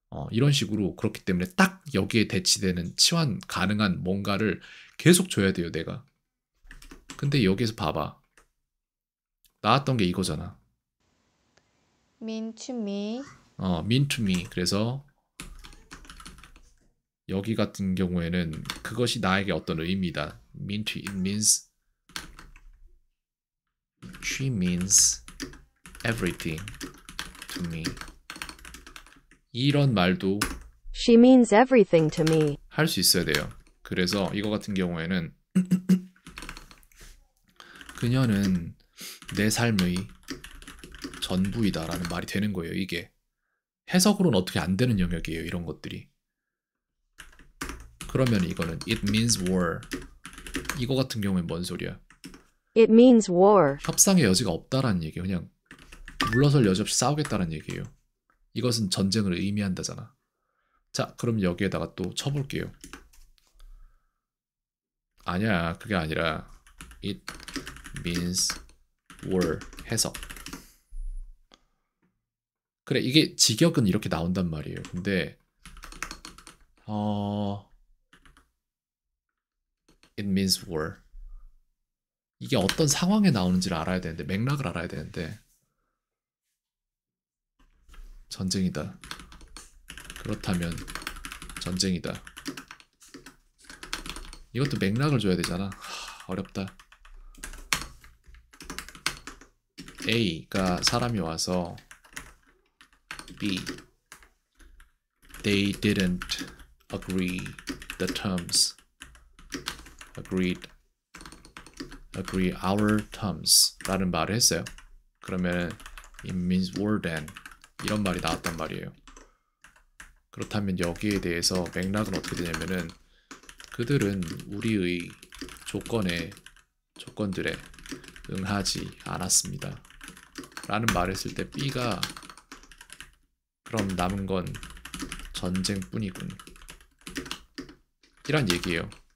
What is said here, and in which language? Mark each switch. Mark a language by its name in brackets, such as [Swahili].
[Korean] 이런 식으로 그렇기 때문에 딱 여기에 대치되는 치환 가능한 뭔가를 계속 줘야 돼요, 내가. 근데 여기에서 봐봐. 나왔던 게 이거잖아. [English] Mean to me. mean to me. [Korean] 그래서 여기 같은 경우에는 그것이 나에게 어떤 의미다. [English] mean to it means she means everything to me. [Korean] 이런 말도 [English] She means everything to me. [Korean] 할수 있어야 돼요. 그래서 이거 같은 경우에는 그녀는 내 삶의 전부이다라는 말이 되는 거예요, 이게. 해석으로는 어떻게 안 되는 영역이에요, 이런 것들이. 그러면 이거는 [English] it means war. [Korean] 이거 같은 경우엔 뭔 소리야? [English] It means war. [Korean] 협상의 여지가 없다라는 얘기예요. 그냥 물러설 여지 없이 싸우겠다라는 얘기예요. 이것은 전쟁을 의미한다잖아. 자, 그럼 여기에다가 또 쳐볼게요. 아니야, 그게 아니라 [English] it means war [Korean] 해석. 그래, 이게 직역은 이렇게 나온단 말이에요. 근데 [English] it means war. [Korean] 이게 어떤 상황에 나오는지를 알아야 되는데, 맥락을 알아야 되는데. 전쟁이다. 그렇다면 전쟁이다. 이것도 맥락을 줘야 되잖아. 어렵다. A가 사람이 와서 B. [English] They didn't agree the terms. Agree our terms. [Korean] 라는 말을 했어요. 그러면 [English] it means war then. [Korean] 이런 말이 나왔단 말이에요. 그렇다면 여기에 대해서 맥락은 어떻게 되냐면은 그들은 우리의 조건들에 응하지 않았습니다. 라는 말을 했을 때 B가 그럼 남은 건 전쟁뿐이군. 이런 얘기예요.